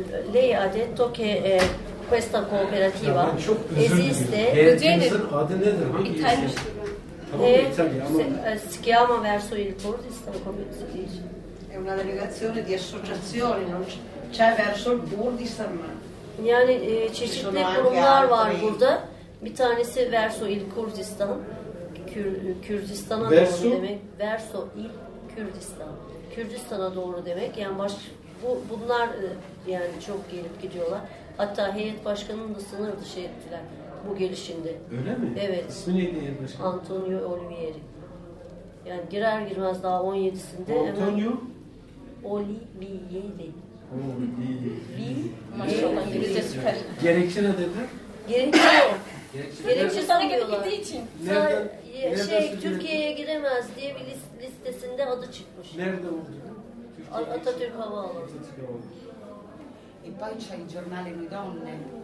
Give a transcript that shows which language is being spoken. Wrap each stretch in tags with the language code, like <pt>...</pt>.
<it>Lei ha detto che questa cooperativa esiste.</it> <tr>Adı nedir? İtalyan.</tr> <it>Si chiama verso il Kurdistan, come si dice? È una delegazione di associazioni, non c'è verso il Kurdistan, ma</it> <tr>yani çeşitli kurumlar var burada. Bir tanesi</tr> <it>verso il Kurdistan.</it> <tr>Kürdistan'a doğru demek.</tr> <it>Verso il Kurdistan.</it> <tr>Kürdistan'a doğru demek. Yani bunlar yani çok gelip gidiyorlar. Hatta heyet başkanını da sınır dışı ettiler. Bu gelişinde. Öyle mi? Evet. İsmi neydi yerleşim? Antonio Olivieri. Yani girer girmez daha 17'sinde. Antonio? Olivieri. Olivieri. Maşallah İngilizce süper. Gerekçe ne dedi? Gerekçe yok. Gerekçe sana gittiği için. Nereden? Türkiye'ye giremez diye bir listesinde adı çıkmış. Nerede oldu? Atatürk Havaalanı.</tr> <it>E poi c'è il giornale di donne.</it>